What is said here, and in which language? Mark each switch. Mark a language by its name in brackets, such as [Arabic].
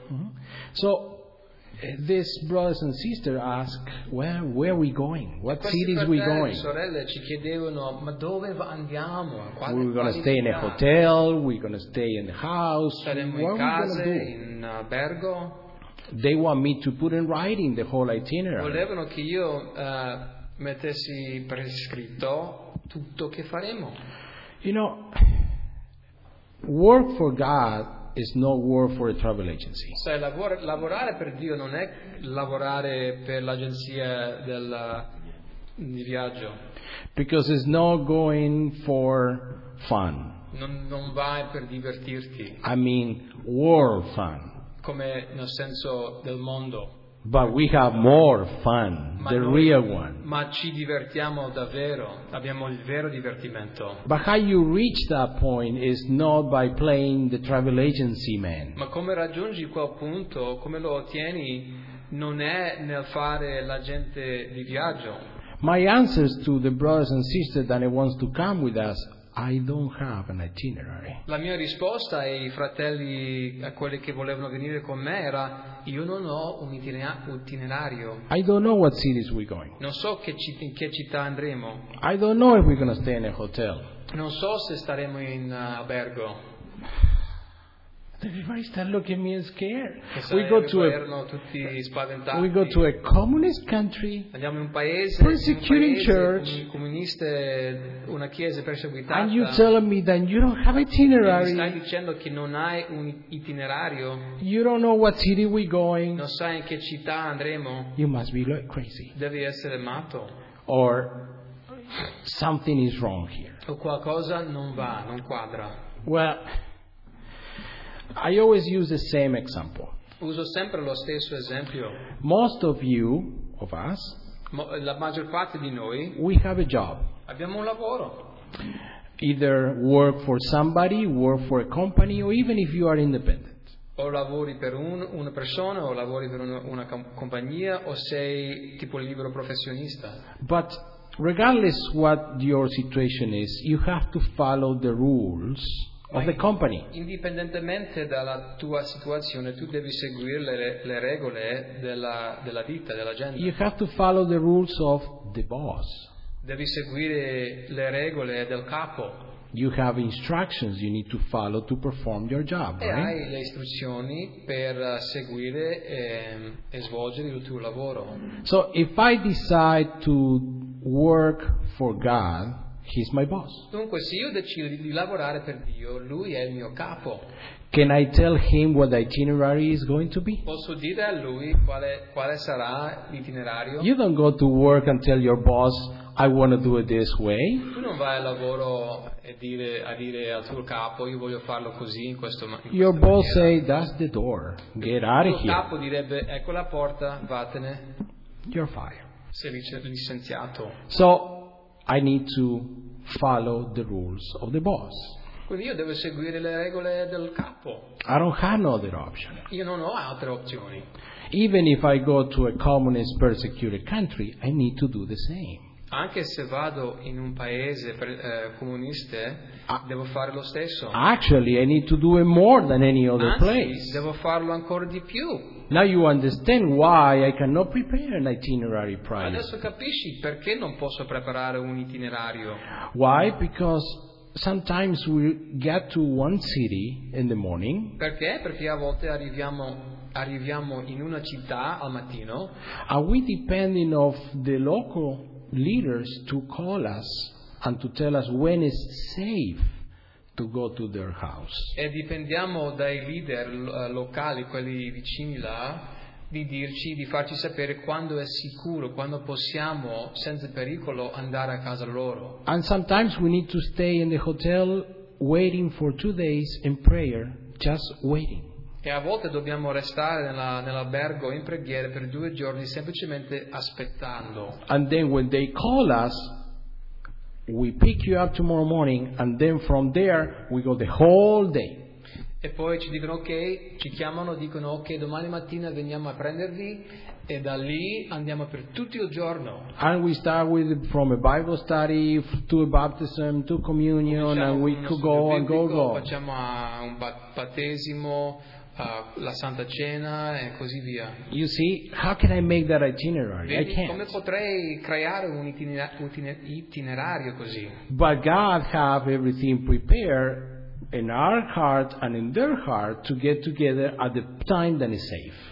[English] Mm-hmm. So this brothers and sisters ask, where are we going? What cities are we going? [Italian] Sorelle ci chiedevano, ma dove andiamo? [English] We're going to stay in a hotel, we're going to stay in the house. [Italian] Saremo in case, in albergo. [English] They want me to put in writing the whole itinerary. [Italian] Volevano che io mettessi per scritto tutto che faremo. [English] You know, work for God is not work for a travel agency. [Italian] Sai, lavorare per Dio non è lavorare per l'agenzia di viaggio. [English] Because it's not going for fun. [Italian] Non vai per divertirti. [English] I mean war fun. [Italian] Come nel senso del mondo. [English] But we have more fun, the real one. [Italian] Ma ci divertiamo davvero, abbiamo il vero divertimento. [English] But how you reach that point is not by playing the travel agency man. [Italian] Ma come raggiungi quel punto, come lo ottieni, non è nel fare l'agente di viaggio. [English] My answers to the brothers and sisters that wants to come with us, I don't have an itinerary. [Italian] La mia risposta ai fratelli, a quelli che volevano venire con me, era: io non ho un itinerario. [English] I don't know what cities we're going. [Italian] Non so in che città andremo. [English] I don't know if we're going to stay in a hotel. [Italian] Non so se staremo in albergo. [English] Everybody start looking at me and scared. We go to [Italian] tutti spaventati. [English] We go to a communist country. [Italian] Andiamo in un paese, [English] persecuting church. [Italian] Comuniste, una chiesa perseguitata. [English] And you telling me that you don't have itinerary. [Italian] Mi stai dicendo che non hai un itinerario. [English] You don't know what city we're going. [Italian] Non sai in che città andremo. [English] You must be like crazy. [Italian] Devi essere matto. [English] Or something is wrong here. [Italian] O qualcosa non va, non quadra. [English] Well, I always use the same example. [Italian] Uso sempre lo stesso esempio. [English] Most of you, of us, [Italian] la maggior parte di noi, [English] we have a job. [Italian] Abbiamo un lavoro. [English] Either work for somebody, work for a company, or even if you are independent. [Italian] o lavori per una persona o lavori per una compagnia o sei tipo libero professionista. [English] But regardless what your situation is, you have to follow the rules of the company. [Italian] Indipendentemente dalla tua situazione, tu devi seguire le regole della ditta, dell'azienda. [English] You have to follow the rules of the boss. [Italian] Devi seguire le regole del capo. [English] You have instructions you need to follow to perform your job, right? [Italian] Hai le istruzioni per seguire e svolgere il tuo lavoro. [English] So if I decide to work for God, He's my boss. [Italian] Dunque, se io decido di lavorare per Dio, lui è il mio capo. [English] Can I tell him what the itinerary is going to be? [Italian] Posso dire a lui quale sarà l'itinerario? [English] You don't go to work and tell your boss, I want to do it this way. [Italian] Tu non vai al lavoro a dire al tuo capo, io voglio farlo così in questo modo. [English] Your boss say, that's the door. Get out of here. [Italian] Il capo direbbe, ecco la porta, vattene. [English] You're fired. [Italian] Sei licenziato. [English] So I need to follow the rules of the boss. [Italian] Quindi io devo seguire le regole del capo. [English] I don't have no other option. [Italian] Io non ho altre opzioni. [English] Even if I go to a communist persecuted country, I need to do the same. [Italian] Anche se vado in un paese comunista, devo fare lo stesso. [English] Actually, I need to do it more than any other place. [Italian] Devo farlo ancora di più. [English] Now you understand why I cannot prepare an itinerary prior. [Italian] Adesso capisci perché non posso preparare un itinerario. [English] Why? Because sometimes we get to one city in the morning. [Italian] Perché? Perché a volte arriviamo in una città al mattino. [English] Are we depending of the local leaders to call us and to tell us when it's safe to go to their house? [Italian] E dipendiamo dai leader locali, quelli vicini là, di farci sapere quando è sicuro, quando possiamo senza pericolo andare a casa loro. [English] And sometimes we need to stay in the hotel waiting for 2 days in prayer, just waiting. [Italian] E a volte dobbiamo restare nell'albergo in preghiera per 2 giorni semplicemente aspettando. [English] And then when they call us, we pick you up tomorrow morning, and then from there we go the whole day. [Italian] E poi ci dicono ok, ci chiamano, dicono ok, domani mattina veniamo a prendervi e da lì andiamo per tutto il giorno. [English] And we start with from a Bible study to a baptism to communion, and we could go and go. [Italian] Facciamo un battesimo, la Santa Cena e così via. [English] You see, how can I make that itinerary? [Italian] Vedi, [English] I can't. [Italian] Come potrei creare un itinerario così? [English] But God have everything prepared in our heart and in their heart to get together at the time that is safe.